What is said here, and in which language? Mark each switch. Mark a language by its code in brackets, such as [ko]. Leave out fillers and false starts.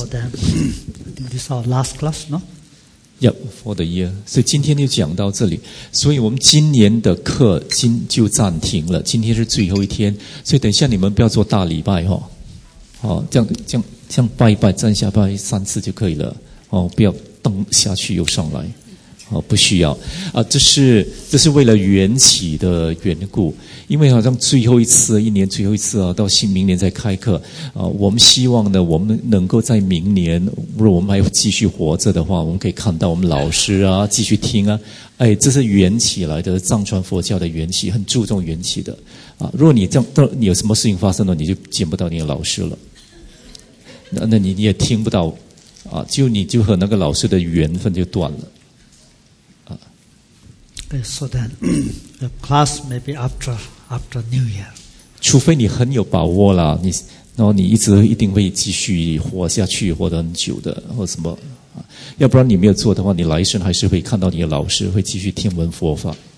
[en] So then, this is our last class, no? Yep, for the year. [zh] 所以今天就讲到这里。所以我们今年的课就暂停了。今天是最后一天，所以等一下你们不要做大礼拜哦。好，这样拜一拜，站下拜三次就可以了。哦，不要蹬下去又上来。哦，不需要啊，这是为了缘起的缘故，因为好像最后一次，一年最后一次啊，到新明年再开课啊，我们希望呢，我们能够在明年，如果我们还继续活着的话，我们可以看到我们老师啊，继续听啊，哎，这是缘起来的，藏传佛教的缘起，很注重缘起的啊。如果你这样，你有什么事情发生了，你就见不到你的老师了，那你也听不到啊，就你就和那个老师的缘分就断了。 [en] Okay, so then, the class maybe after New Year. [zh] 除非你很有把握啦，你然后你一直一定会继续活下去，活得很久的，或什么，要不然你没有做的话，你来生还是会看到你的老师，会继续听闻佛法。